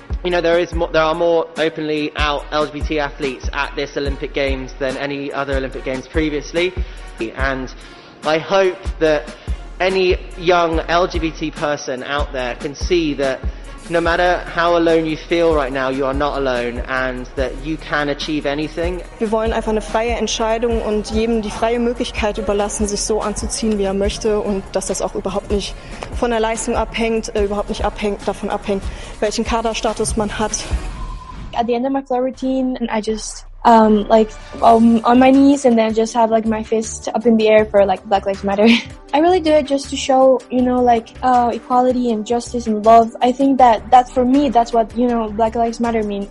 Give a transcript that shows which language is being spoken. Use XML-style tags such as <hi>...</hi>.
<en>You know, there are more openly out LGBT athletes at this Olympic Games than any other Olympic Games previously. And I hope that any young LGBT person out there can see that no matter how alone you feel right now, you are not alone and that you can achieve anything.</en> <de>Wir wollen einfach eine freie Entscheidung und jedem die freie Möglichkeit überlassen, sich so anzuziehen, wie möchte und dass das auch überhaupt nicht von der Leistung abhängt, überhaupt nicht abhängt, davon abhängt, welchen Kaderstatus man hat.</de> <en>At the end of my floor routine, I just on my knees and then just have like my fist up in the air for like Black Lives Matter. I really do it just to show, you know, like equality and justice and love. I think that for me, that's what, you know, Black Lives Matter mean.</en>